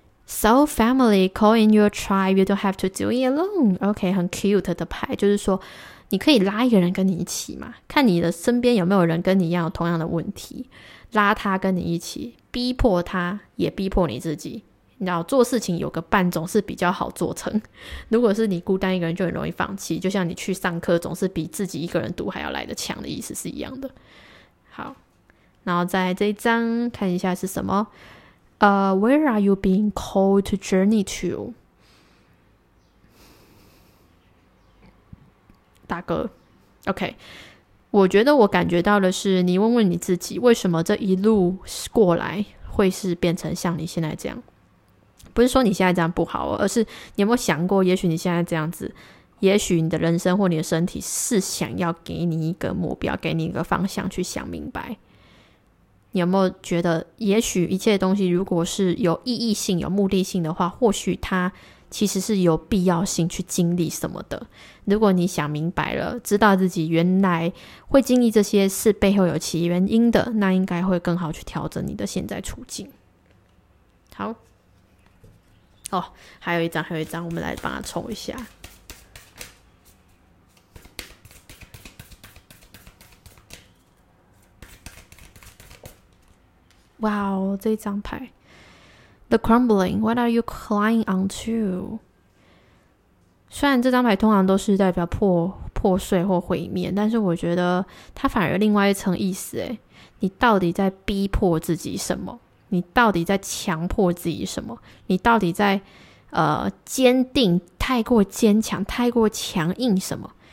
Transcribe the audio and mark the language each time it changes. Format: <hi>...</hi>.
<en>So family, call in your tribe, you don't have to do it alone.</en> <zh>OK, 很 cute 的牌，就是说你可以拉一个人跟你一起嘛，看你的身边有没有人跟你一样有同样的问题，拉他跟你一起，逼迫他也逼迫你自己，你知道做事情有个伴总是比较好做成，如果是你孤单一个人就很容易放弃，就像你去上课总是比自己一个人读还要来得强的意思是一样的。好，然后再来这一张看一下是什么。</zh> <en>Where are you being called to journey to?</en> <zh>大哥 OK， 我觉得我感觉到的是你问问你自己，为什么这一路过来会是变成像你现在这样，不是说你现在这样不好，而是你有没有想过也许你现在这样子也许你的人生或你的身体是想要给你一个目标，给你一个方向去想明白。你有没有觉得也许一切东西如果是有意义性有目的性的话，或许它其实是有必要性去经历什么的。如果你想明白了，知道自己原来会经历这些是背后有其原因的，那应该会更好去调整你的现在处境。好哦，还有一张，还有一张，我们来帮它抽一下。哇哦，这张牌</zh> <en>The Crumbling, What are you climbing onto?</en> <zh>虽然这张牌通常都是代表 破碎或毁灭，但是我觉得它反而有另外一层意思，你到底在逼迫自己什么？你到底在强迫自己什么？你到底在坚定，太过坚强，太过强硬什么？</zh>